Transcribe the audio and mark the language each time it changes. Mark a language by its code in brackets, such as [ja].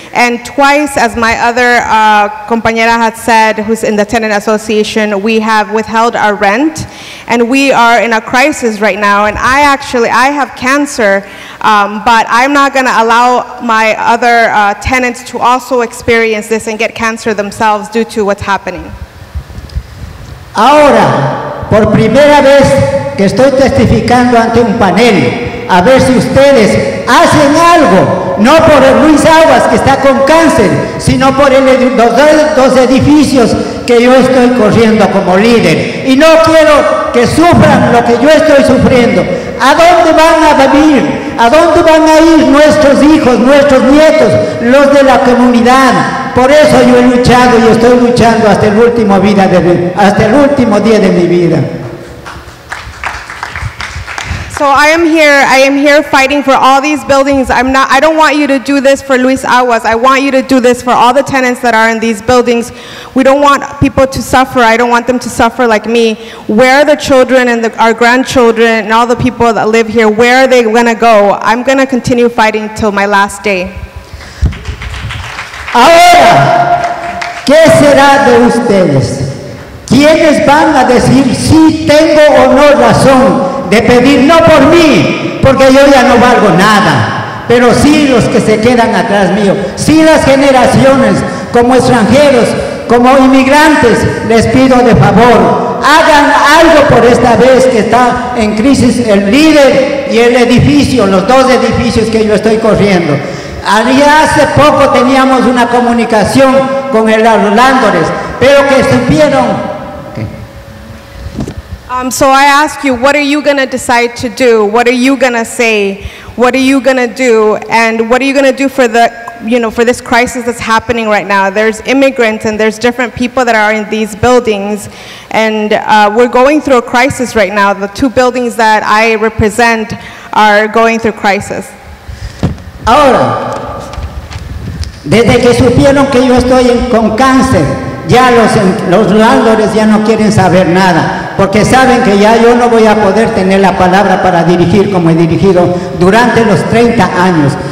[en] And twice, as my other compañera had said, who's in the tenant association, we have withheld our rent, and we are in a crisis right now. And I have cancer, but I'm not gonna allow my other tenants to also experience this and get cancer themselves due to what's happening. [es] Ahora, por primera vez, que estoy testificando ante un panel, a ver si ustedes hacen algo, no por el Luis Aguas que está con cáncer, sino por los dos edificios que yo estoy corriendo como líder. Y no quiero que sufran lo que yo estoy sufriendo. ¿A dónde van a vivir? ¿A dónde van a ir nuestros hijos, nuestros nietos, los de la comunidad? Por eso yo he luchado y estoy luchando hasta el último día de mi vida. [en] So I am here fighting for all these buildings. I don't want you to do this for Luis Aguas. I want you to do this for all the tenants that are in these buildings. We don't want people to suffer. I don't want them to suffer like me. Where are the children and our grandchildren and all the people that live here? Where are they gonna go? I'm gonna continue fighting till my last day. [es] Ahora, ¿qué será de ustedes? ¿Quiénes van a decir si tengo o no razón de pedir, no por mí, porque yo ya no valgo nada, pero sí los que se quedan atrás mío, sí las generaciones, como extranjeros, como inmigrantes, les pido de favor, hagan algo por esta vez que está en crisis el líder y el edificio, los dos edificios que yo estoy corriendo. Hace poco teníamos una comunicación con el Arlándores, pero que supieron. [en] So I ask you, what are you going to decide to do? What are you going to say? What are you going to do? And what are you going to do for this crisis that's happening right now? There's immigrants and there's different people that are in these buildings. And we're going through a crisis right now. The two buildings that I represent are going through crisis. [es] Ahora, desde que supieron que yo estoy con cáncer, ya los landlords ya no quieren saber nada, porque saben que ya yo no voy a poder tener la palabra para dirigir como he dirigido durante los 30 años.